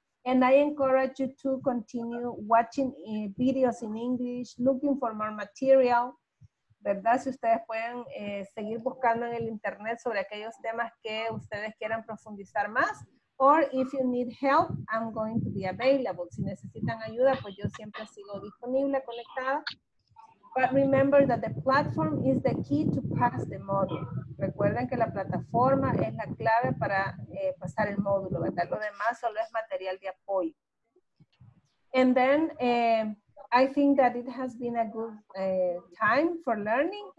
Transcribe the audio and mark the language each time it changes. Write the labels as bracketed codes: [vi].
[en] And I encourage you to continue watching videos in English, looking for more material. [es] ¿Verdad? Si ustedes pueden seguir buscando en el internet sobre aquellos temas que ustedes quieran profundizar más. [en] Or if you need help, I'm going to be available. [es] Si necesitan ayuda, pues yo siempre sigo disponible, conectada. [en] But remember that the platform is the key to pass the module. [es] Recuerden que la plataforma es la clave para pasar el módulo, ¿verdad? Lo demás solo es material de apoyo. [en] And then, I think that it has been a good time for learning.